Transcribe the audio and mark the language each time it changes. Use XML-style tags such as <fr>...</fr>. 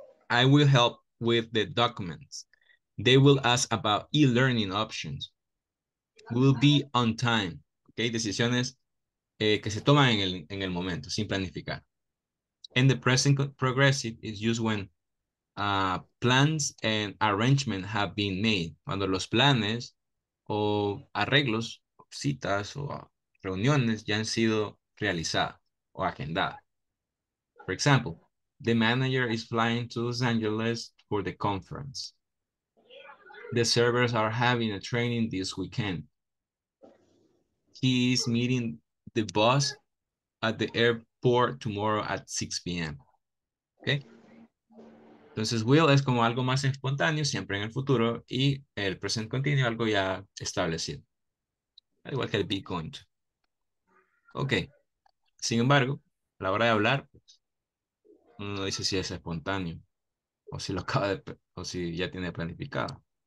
<en>I will help with the documents. They will ask about e-learning options. We'll be on time.</en> <es>Okay, decisiones que se toman en el momento, sin planificar.</es> <en>And the present progressive is used when plans and arrangements have been made.</en> <es>Cuando los planes o arreglos, citas o reuniones ya han sido realizadas o agendadas.</es> <en>For example, the manager is flying to Los Angeles for the conference. The servers are having a training this weekend. He is meeting the boss at the airport tomorrow at 6 p.m. Okay.</en> <es>Entonces, will es como algo más espontáneo, siempre en el futuro, y el present continuo, algo ya establecido. Al igual que el be going to. Ok. Sin embargo, a la hora de hablar, uno dice si es espontáneo o si lo acaba de, o si ya tiene planificado.</es>